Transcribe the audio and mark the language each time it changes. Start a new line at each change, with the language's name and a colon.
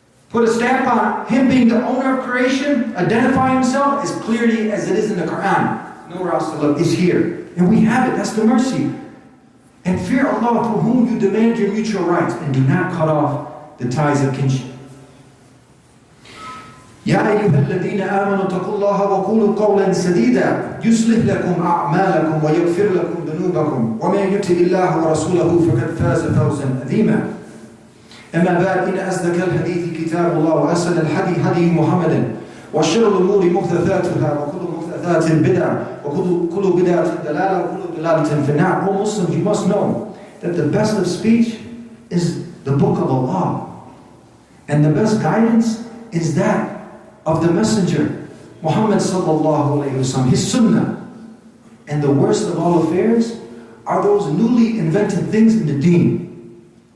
English: Put a stamp on him being the owner of creation, identify himself as clearly as it is in the Quran. Nowhere else to look is here. And we have it. That's the mercy. And fear Allah, for whom you demand your mutual rights, and do not cut off the ties of kinship.
Arabic: يا أيها الذين آمنوا اتقوا الله وقولوا قولا سديدا يصلح لكم أعمالكم ويغفر لكم ذنوبكم ومن يطع الله ورسوله فقد فاز فوزا عظيما. أما بعد، إن أصدق الحديث كتاب الله وأحسن الهدي هدي محمد وشر الأمور محدثاتها وكل محدثات بدعة وكل بدعة دلالة وكل دلالة في النار.
English: All Muslims, you must know that the best of speech is the book of Allah, and the best guidance is that of the Messenger Muhammad sallallahu alayhi wasallam, his sunnah. And the worst of all affairs are those newly invented things in the deen.